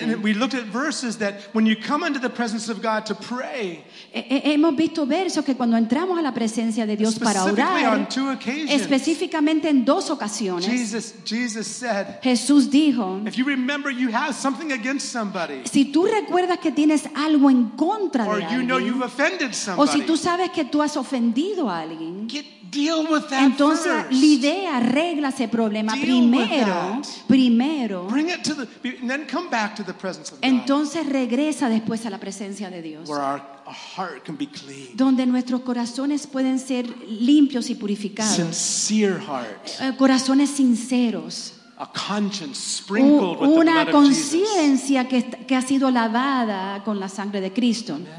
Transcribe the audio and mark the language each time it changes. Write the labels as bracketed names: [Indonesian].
[English] And we looked at verses that when you come into the presence of God to pray. [Spanish] Hemos visto versos que cuando entramos a la presencia de Dios para orar, específicamente en dos ocasiones. [English] Jesus said. [Spanish] Jesús dijo. [English] If you remember, you have something against somebody. [Spanish] Si tú recuerdas que tienes algo en contra [English] or [Spanish] de alguien, [English] you know you've offended somebody, [Spanish] o si tú sabes que tú has ofendido a alguien, [English] deal with that. [Spanish] Entonces, [English] first. [Spanish] Lidea, arregla ese problema. [English] Deal [Spanish] primero. [English] With that. [Spanish] Primero. [English] Bring it to the, and then come back to the presence of God. [Spanish] Entonces, regresa después a la presencia de Dios. [English] Where our heart can be clean. [Spanish] Donde nuestros corazones pueden ser limpios y purificados. [English] Sincere hearts. [Spanish] Corazones sinceros. [English] A conscience sprinkled with the blood of Jesus. [Spanish] Una conciencia que ha sido lavada con la sangre de Cristo.